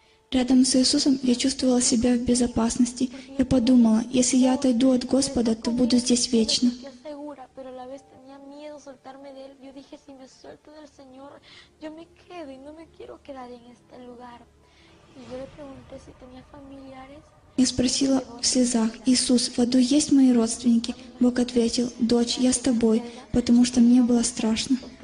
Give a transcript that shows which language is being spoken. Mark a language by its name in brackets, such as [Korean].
[Russian] Рядом с Иисусом я чувствовала себя в безопасности. Я подумала, если я отойду от Господа, то буду здесь вечно. [Spanish] la vez tenía miedo soltarme de él. Yo dije, si me suelto del Señor, yo me quedo y no me quiero quedar en este lugar. Y yo le pregunté si tenía familiares. [Russian] Я спросила в слезах, «Иисус, в аду есть мои родственники?» Бог ответил, «Дочь, я с тобой, потому что мне было страшно».